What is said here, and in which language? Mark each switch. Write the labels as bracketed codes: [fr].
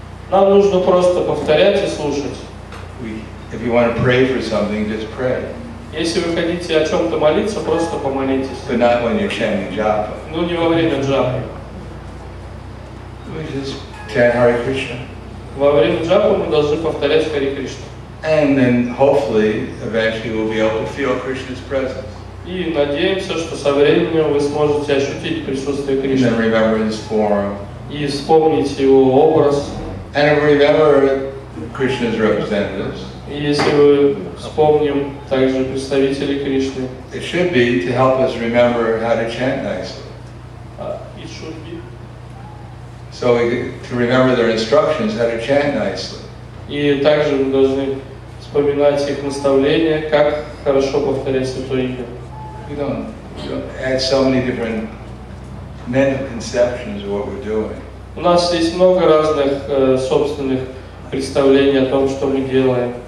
[ru] Нам нужно просто повторять и слушать. [en] If you want to pray for something, just pray. [ru] Если вы хотите о чем-то молиться, просто помолитесь. [en] But not when you're chanting japa. [ru] Ну не во время джапы. [en] We just chant Hare Krishna. [ru] Во время джапы мы должны повторять Хари Кришна. [en] And then hopefully eventually we'll be able to feel Krishna's presence. [ru] И надеемся, что со временем вы сможете ощутить присутствие Кришны. [en] And remember His form. [ru] И вспомнить Его образ. [en] And remember Krishna's representatives. [ru] И если мы вспомним также представителей Кришны. [en] It should be to help us remember how to chant nicely. It should be. So we to remember their instructions how to chant nicely. [ru] И также мы должны вспоминать их наставления, как хорошо повторять святое имя. [en] We don't add so many different mental conceptions of what we're doing. [ru] У нас есть много разных собственных представлений о том, что мы делаем.